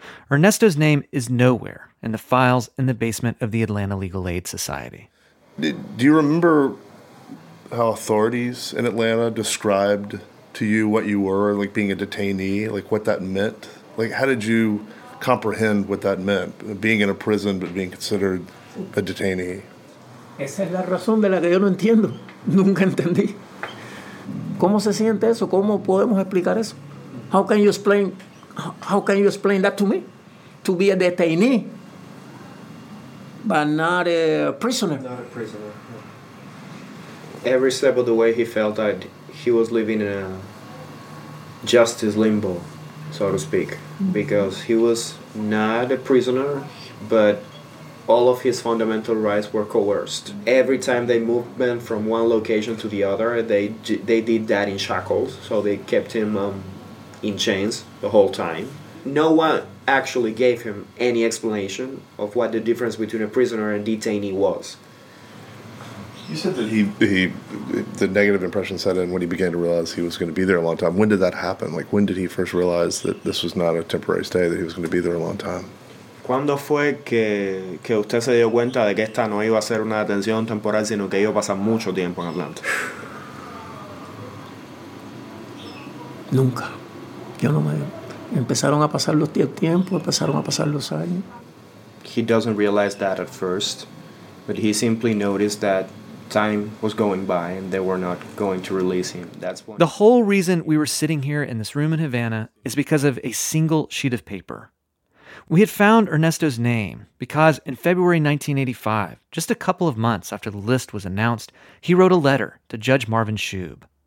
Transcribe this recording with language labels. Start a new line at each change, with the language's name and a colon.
English: Ernesto's name is nowhere in the files in the basement of the Atlanta Legal Aid Society. Do you remember how authorities in Atlanta described to you what you were, like being a detainee, like what that meant? Like, how did you comprehend what that meant, being in a prison but being considered a detainee?
Spanish: Esa es la razón de la que yo no entiendo. Nunca entendí. ¿Cómo se siente eso? ¿Cómo podemos explicar eso?
English: How can you explain that to me? To be a detainee, but not a prisoner. Not a prisoner. Every step of the way he felt that he was living in a justice limbo, so to speak, because he was not a prisoner, but all of his fundamental rights were coerced. Every time they moved him from one location to the other, they did that in shackles, so they kept him in chains the whole time. No one actually gave him any explanation of what the difference between a prisoner and detainee was. You said that the negative impression set in when he began to realize he was going to be there a long time. When did that happen? Like, when did he first realize that this was not a temporary stay, that he was going to be there a long time?
Spanish: ¿Cuándo fue que usted se dio cuenta de que esta no iba a ser una detención temporal, sino que iba a pasar mucho tiempo en Atlanta? Nunca. Yo no me... Empezaron a pasar los tiempos, empezaron a pasar los años.
English: He doesn't realize that at first, but he simply noticed that time was going by and they were not going to release him. That's one. The whole reason we were sitting here in this room in Havana is because of a single sheet of paper. We had found Ernesto's name because in February 1985, just a couple of months after the list was announced, he wrote a letter to Judge Marvin Shoup.